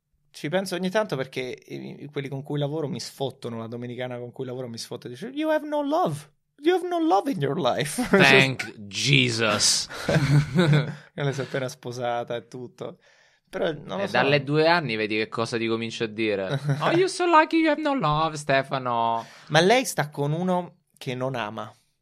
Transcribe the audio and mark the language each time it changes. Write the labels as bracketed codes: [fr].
[it] Ci penso ogni tanto perché quelli con cui lavoro mi sfottono, la domenicana con cui lavoro mi sfotta e dice [en] "You have no love." You have no love in your life. Thank Jesus. [it] Lei si è appena sposata e tutto. Però non lo so. E dalle 2 anni vedi che cosa ti comincio a dire. [en] Oh, you're so lucky you have no love, Stefano. [it] Ma lei sta con uno che non ama.